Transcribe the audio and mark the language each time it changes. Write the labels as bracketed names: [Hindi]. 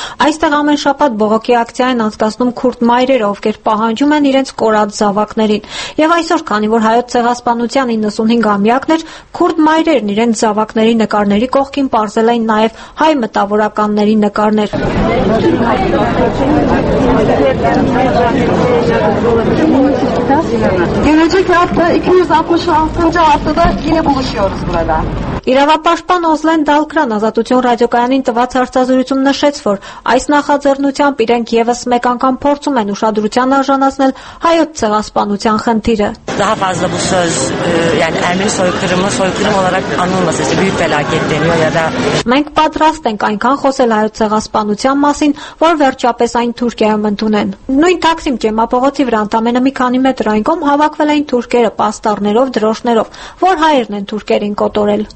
[Armenian] Այստեղ ամեն շաբաթ բողոքի ակցիա են անցկացնում քուրդ մայրերը, ովքեր պահանջում են իրենց կորած զավակներին։ Եվ այսօր, քանի որ հայոց ցեղասպանության 95-ամյակներ, քուրդ մայրերն իրենց զավակների նկարների կողքին պարզել էին նաև հայ մտավորականների նկարներ։ [Turkish] Gelecek hafta ikimiz 66. haftada yine buluşuyoruz burada. [Armenian] Իրավապաշտպան Օզլեն Դալկրան Ազատություն ռադիոկայանին տված հարցազրույցում նշեց, որ այս նախաձեռնությամբ իրենք ևս մեկ անգամ փորձում են ուշադրության արժանացնել հայոց ցեղասպանության խնդիրը։ Մենք պատրաստ ենք այնքան խոսել հայոց ցեղասպանության մասին, որ վերջապես այն Թուրքիայում ընդունեն։ Նույն Թաքսիմ ճեմապողոցի վրա ընդամենը մի քանի մետր այնքան հավաքվել էին թուրքերը պաստառներով, դրոշներով, որ հայերն են թուրքերին կոտորել։